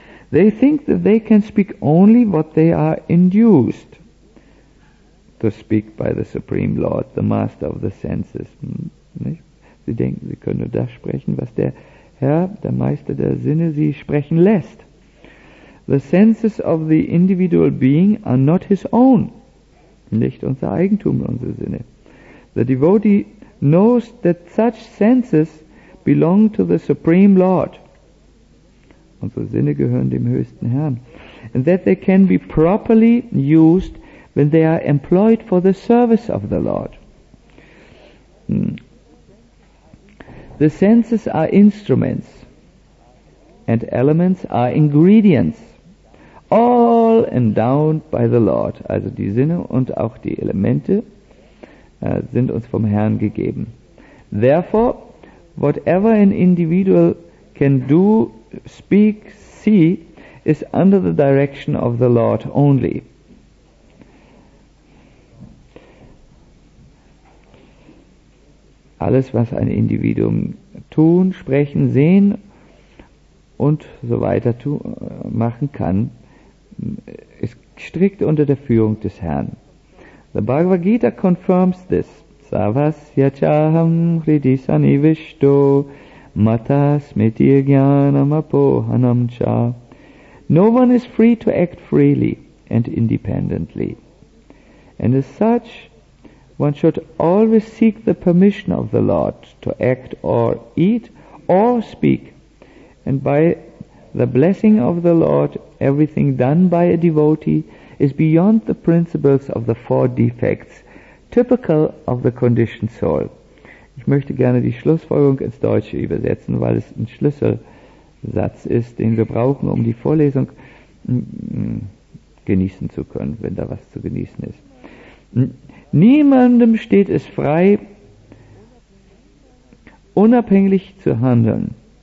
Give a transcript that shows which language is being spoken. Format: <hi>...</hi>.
<en>They think that they can speak only what they are induced to speak by the Supreme Lord, the Master of the Senses.</en> <de>Sie denken, sie können nur das sprechen, was der Herr, der Meister der Sinne, sie sprechen lässt.</de> <en>The senses of the individual being are not his own.</en> <de>Nicht unser Eigentum, unsere Sinne.</de> <en>The devotee knows that such senses belong to the Supreme Lord.</en> <de>Unsere Sinne gehören dem höchsten Herrn.</de> <en>And that they can be properly used when they are employed for the service of the Lord. The senses are instruments, and elements are ingredients, all endowed by the Lord.</en> <de>Also die Sinne und auch die Elemente sind uns vom Herrn gegeben.</de> <en>Therefore, whatever an individual can do, speak, see, is under the direction of the Lord only.</en> <de>Alles, was ein Individuum tun, sprechen, sehen und so weiter machen kann, ist strikt unter der Führung des Herrn.</de> <en>The Bhagavad Gita confirms this.</en> <sa>Savasya chaham hridi sanivishto matas mityajnanam apohanam cha.</sa> <en>No one is free to act freely and independently. And as such, one should always seek the permission of the Lord to act or eat or speak. And by the blessing of the Lord, everything done by a devotee is beyond the principles of the four defects, typical of the conditioned soul.</en> <de>Ich möchte gerne die Schlussfolgerung ins Deutsche übersetzen, weil es ein Schlüsselsatz ist, den wir brauchen, um die Vorlesung genießen zu können, wenn da was zu genießen ist. Niemandem steht es frei, unabhängig zu handeln.</de>